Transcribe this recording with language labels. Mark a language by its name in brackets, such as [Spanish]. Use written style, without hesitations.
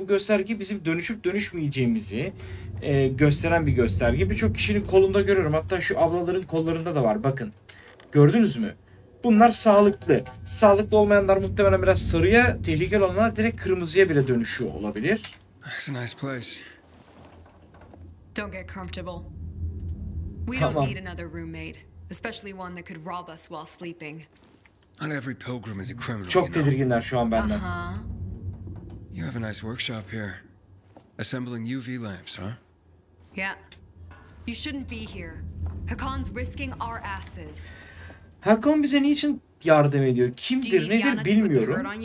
[Turkish] Bu gösterge bizim dönüşüp dönüşmeyeceğimizi gösteren bir gösterge. Birçok kişinin kolunda görüyorum. Hatta şu ablaların kollarında da var. Bakın. Gördünüz mü? Bunlar sağlıklı. Sağlıklı olmayanlar muhtemelen biraz sarıya, tehlikeli olanlar direkt kırmızıya bile dönüşüyor olabilir. [English] It's a nice place. Don't get comfortable. We don't need another roommate, especially one that could rob us while sleeping. Not every pilgrim is a criminal. [Turkish] Çok tedirginler şu an benden. [English] You have a nice workshop here, assembling UV lamps, huh? Yeah. You shouldn't be here. Hakon's risking our asses. [Turkish] Hakon bize niçin yardım ediyor? Kimdir, nedir bilmiyorum.